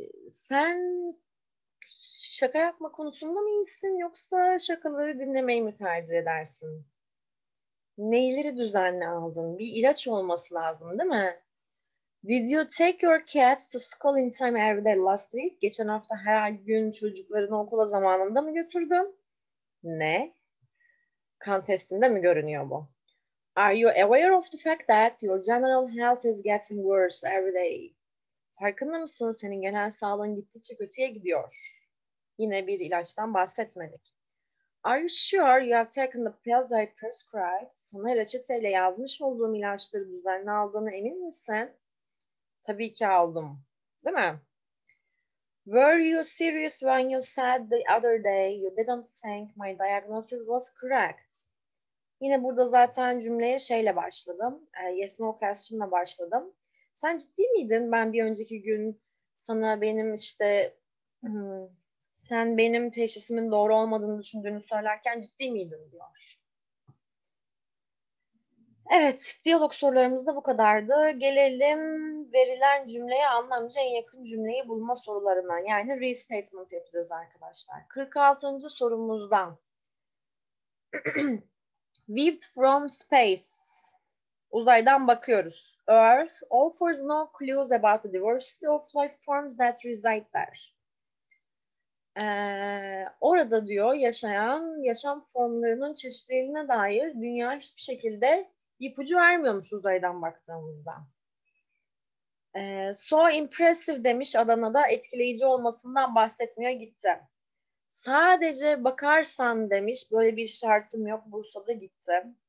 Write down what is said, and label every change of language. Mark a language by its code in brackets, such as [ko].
[tr] Sen şaka yapma konusunda mı iyisin yoksa şakaları dinlemeyi mi tercih edersin? Neyleri düzenli aldın? Bir ilaç olması lazım, değil mi? [en] Did you take your cats to school in time every day last week? [tr] Geçen hafta her gün çocuklarını okula zamanında mı götürdün? Ne? Kan testinde mi görünüyor bu? [en] Are you aware of the fact that your general health is getting worse every day? [tr] Farkında mısın? Senin genel sağlığın gittikçe kötüye gidiyor. Yine bir ilaçtan bahsetmedik. [en] Are you sure you have taken the pills I prescribed? [tr] Sana reçeteyle yazmış olduğum ilaçları düzenli aldığına emin misin? Tabii ki aldım. Değil mi? [en] Were you serious when you said the other day you didn't think my diagnosis was correct? [tr] Yine burada zaten cümleye şeyle başladım. Yes, no question'la başladım. Sen ciddi miydin? Ben bir önceki gün sana benim işte sen benim teşhisimin doğru olmadığını düşündüğünü söylerken ciddi miydin diyor. Evet, diyalog sorularımız da bu kadardı. Gelelim verilen cümleye anlamca en yakın cümleyi bulma sorularına. Yani restatement yapacağız arkadaşlar. 46. sorumuzdan. [en] Viewed from space. [tr] Uzaydan bakıyoruz. [en] Earth offers no clues about the diversity of life forms that reside there. [tr] Orada diyor yaşayan yaşam formlarının çeşitliliğine dair dünya hiçbir şekilde ipucu vermiyormuş uzaydan baktığımızda. So impressive demiş Adana'da etkileyici olmasından bahsetmiyor gitti. Sadece bakarsan demiş böyle bir şartım yok Bursa'da gitti.